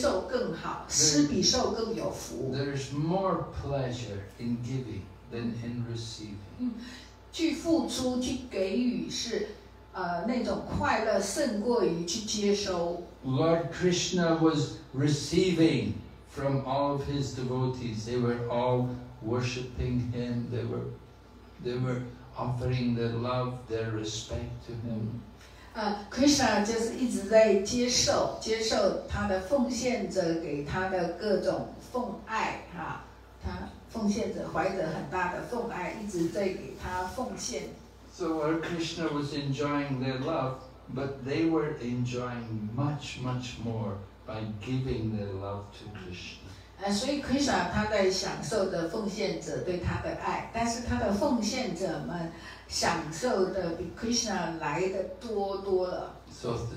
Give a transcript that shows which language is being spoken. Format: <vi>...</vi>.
<zh>我们俗话又说，付出比接受更好，施比受更有福。</zh> <en>There's more pleasure in giving than in receiving.</en> <zh>去付出去给予是。那种快乐胜过于去接收。</zh> <en>Lord Krishna was receiving. From all of his devotees, they were all worshipping him, they were offering their love, their respect to him.</en> <zh>Krishna 就是一直在接受他的奉献者给他的各种奉爱，他奉献者怀着很大的奉爱，一直在给他奉献。</zh> <en>So Lord Krishna was enjoying their love, but they were enjoying much more. By giving their love to Krishna.</en> <zh>所以 Krishna 他在享受的奉献者对他的爱，但是他的奉献者们享受的比 Krishna 来的多多了。</zh> <en>So</en>